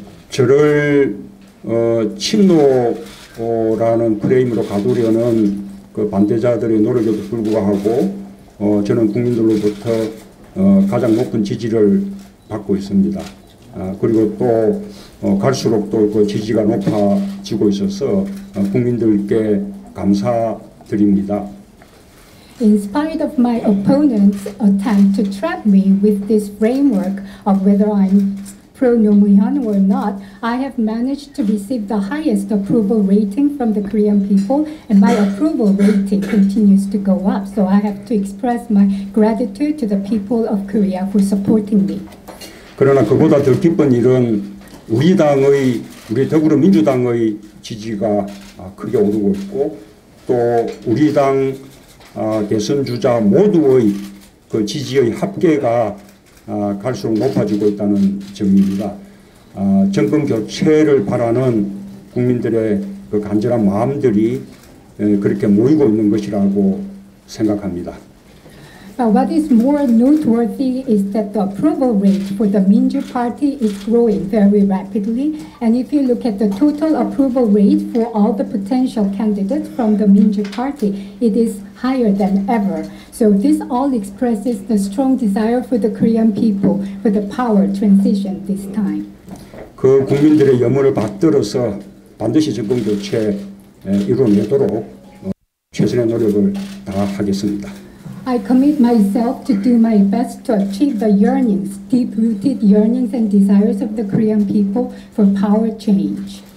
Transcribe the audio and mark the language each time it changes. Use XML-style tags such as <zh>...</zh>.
<ko>저를 친노라는 프레임으로 가두려는 그 반대자들의 노력에도 불구하고 저는 국민들로부터 가장 높은 지지를 받고 있습니다. 그리고 또 갈수록 또 그 지지가 높아지고 있어서 국민들께 감사드립니다.</ko> <en>In spite of my opponent's attempt to trap me with this framework of whether I'm pro-Nomuyan or not, I have managed to receive the highest approval rating from the Korean people, and my approval rating continues to go up. So I have to express my gratitude to the people of Korea for supporting me.</en> <ko>그러나 그보다 더 기쁜 일은 우리 당의, 우리 더불어민주당의 지지가 크게 오르고 있고, 또 우리 당 대선 주자 모두의 그 지지의 합계가 갈수록 높아지고 있다는 점입니다. 정권 교체를 바라는 국민들의 그 간절한 마음들이 그렇게 모이고 있는 것이라고 생각합니다.</ko> <en>But what is more noteworthy is that the approval rate for the Minju Party is growing very rapidly. And if you look at the total approval rate for all the potential candidates from the Minju Party, it is higher than ever. So this all expresses the strong desire for the Korean people for the power transition this time.</en> <ko>그 국민들의 염원을 받들어서 반드시 정권 교체 이루어내도록 최선의 노력을 다하겠습니다.</ko> <en>I commit myself to do my best to achieve the yearnings, deep-rooted yearnings and desires of the Korean people for power change.</en>